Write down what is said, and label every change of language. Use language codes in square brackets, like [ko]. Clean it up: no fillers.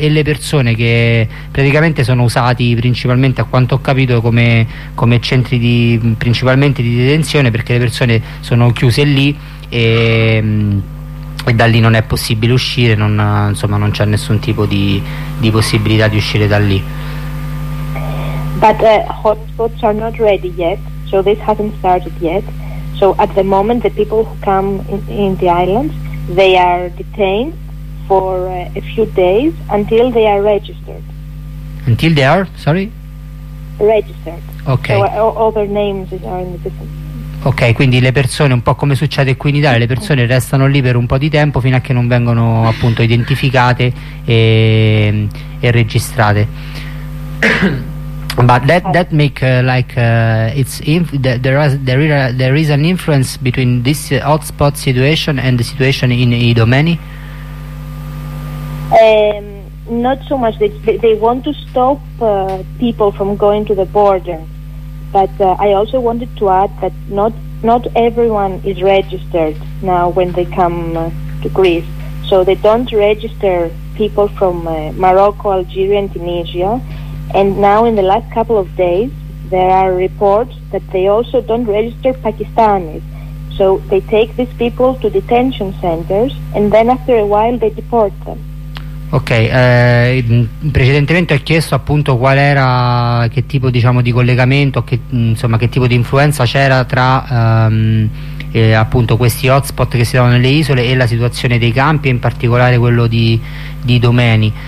[it] E le persone che praticamente sono usati principalmente, a quanto ho capito, come centri di principalmente di detenzione, perché le persone sono chiuse lì e da lì non è possibile uscire, non c'è nessun tipo di possibilità di uscire da lì. [en] But hotspots are not ready yet, so this hasn't started yet. So at the moment, the people who come in the islands, they are detained for a few days until they are registered. Until they are, sorry? Registered. Okay. So all their names are in the system. [it] Ok, quindi le persone, un po' come succede qui in Italia, le persone restano lì per un po' di tempo fino a che non vengono appunto identificate e registrate. [en] But that make like it's inf- there is an influence between this hotspot situation and the situation in Idomeni. Not so much. They want to stop people from going to the border. But I also wanted to add that not everyone is registered now when they come to Greece. So they don't register people from Morocco, Algeria, and Tunisia. And now in the last couple of days, there are reports that they also don't register Pakistanis. So they take these people to detention centers, and then after a while they deport them. [it] Ok, precedentemente ho chiesto appunto qual era, che tipo diciamo di collegamento, che insomma che tipo di influenza c'era tra appunto questi hotspot che si trovano nelle isole e la situazione dei campi, in particolare quello di Idomeni.